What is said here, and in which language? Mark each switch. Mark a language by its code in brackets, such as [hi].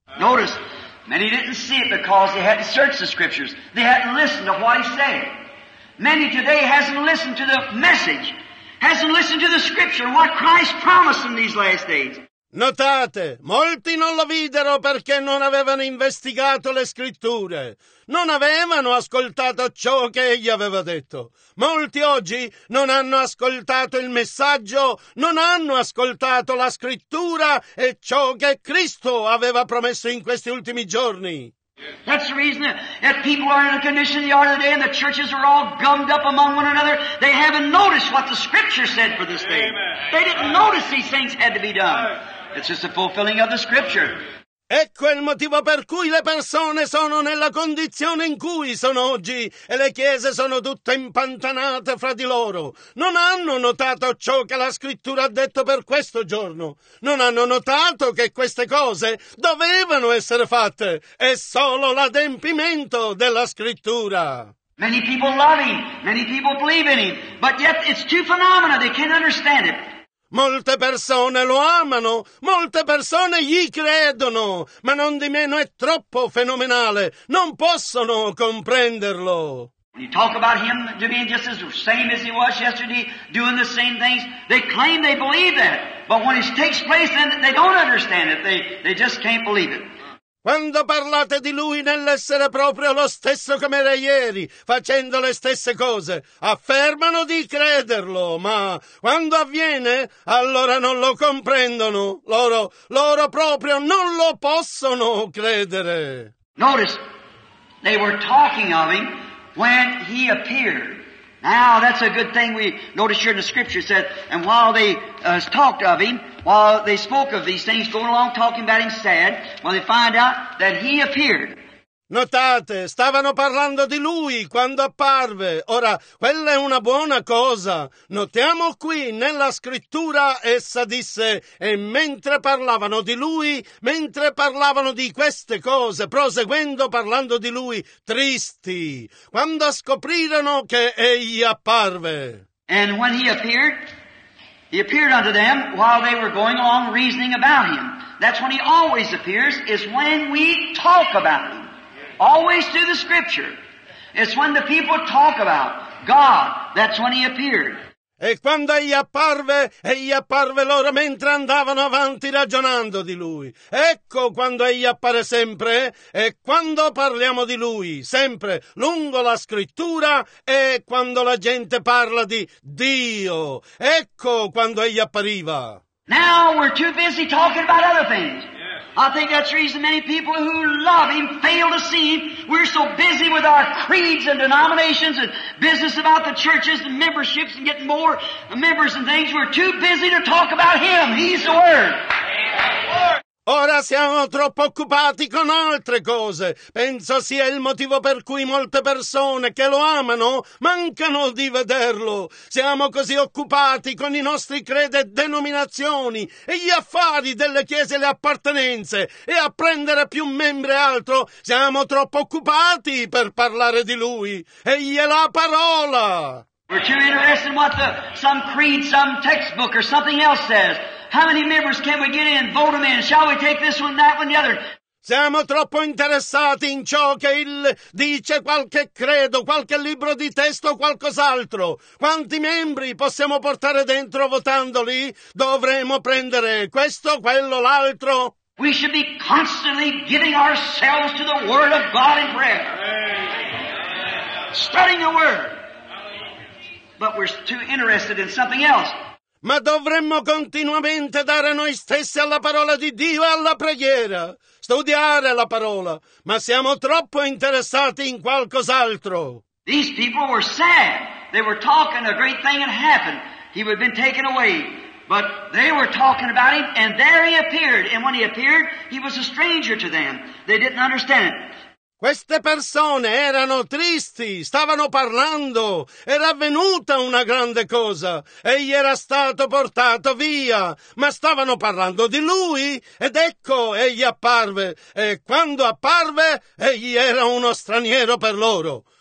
[en] Notice, many didn't see it because they hadn't searched the scriptures. They hadn't listened to what he said. Many today hasn't listened to the message. Hasn't listened to the scripture, what Christ promised in these last days. [it] Notate, molti non lo videro perché non avevano investigato le scritture. Non avevano ascoltato ciò che egli aveva detto. Molti oggi non hanno ascoltato il messaggio, non hanno ascoltato la scrittura e ciò che Cristo aveva promesso in questi ultimi giorni. [en] That's the reason that people are in a condition they are today, and the churches are all gummed up among one another. They haven't noticed what the Scripture said for this day. They didn't notice these things had to be done. It's just a fulfilling of the Scripture. [it] Ecco il motivo per cui le persone sono nella condizione in cui sono oggi e le chiese sono tutte impantanate fra di loro. Non hanno notato ciò che la scrittura ha detto per questo giorno. Non hanno notato che queste cose dovevano essere fatte. È solo l'adempimento della scrittura. [en] Many people love him, many people believe in him, but yet it's two phenomena, they can't understand it. [it] Molte persone lo amano, molte persone gli credono, ma non di meno è troppo fenomenale, non possono comprenderlo. [en] When you talk about him to be just as same as he was yesterday, doing the same things, they claim they believe that, but when it takes place then they don't understand it, they just can't believe it. [it] Quando parlate di lui nell'essere proprio lo stesso come era ieri, facendo le stesse cose, affermano di crederlo, ma quando avviene, allora non lo comprendono. Loro proprio non lo possono credere. [en] Notice, they were talking of him when he appeared. Now, that's a good thing we notice here in the scripture said, and while they talked of him, while they spoke of these things, going along talking about him sad, well, they find out that he appeared. [it] Notate, stavano parlando di lui quando apparve. Ora, quella è una buona cosa. Notiamo qui nella scrittura, essa disse, e mentre parlavano di lui, mentre parlavano di queste cose, proseguendo parlando di lui, tristi, quando scoprirono che egli apparve. [en] And when he appeared unto them while they were going along reasoning about him. That's when he always appears, is when we talk about him. Always through the scripture. It's when the people talk about God, that's when he appeared. [it] E quando egli apparve loro mentre andavano avanti ragionando di lui. Ecco quando egli appare sempre, e quando parliamo di lui, sempre, lungo la scrittura, e quando la gente parla di Dio. Ecco quando egli appariva. [en] Now we're too busy talking about other things. I think that's the reason many people who love him fail to see him. We're so busy with our creeds and denominations and business about the churches and memberships and getting more members and things. We're too busy to talk about him. He's the Word. [it] Ora siamo troppo occupati con altre cose. Penso sia il motivo per cui molte persone che lo amano mancano di vederlo. Siamo così occupati con i nostri credi e denominazioni e gli affari delle chiese e le appartenenze e a prendere più membri e altro. Siamo troppo occupati per parlare di lui. Egli è la parola. [en] We're too interested in what some creed, some textbook or something else says. How many members can we get in, vote them in, shall we take this one, that one, the other? [it] Siamo troppo interessati in ciò che il dice qualche credo, qualche libro di testo o qualcos'altro. Quanti membri possiamo portare dentro votandoli? Dovremo prendere questo, quello, l'altro. [en] We should be constantly giving ourselves to the Word of God in prayer. studying the word. But we're too interested in something else. [it] Ma dovremmo continuamente dare noi stessi alla parola di Dio e alla preghiera, studiare la parola, ma siamo troppo interessati in qualcos'altro. [en] These people were sad. They were talking, a great thing had happened. He had been taken away. But they were talking about him, and there he appeared. And when he appeared, he was a stranger to them. They didn't understand it. [it] Queste persone erano tristi, stavano parlando, era avvenuta una grande cosa, egli era stato portato via, ma stavano parlando di lui, ed ecco, egli apparve, e quando apparve, egli era uno straniero per loro.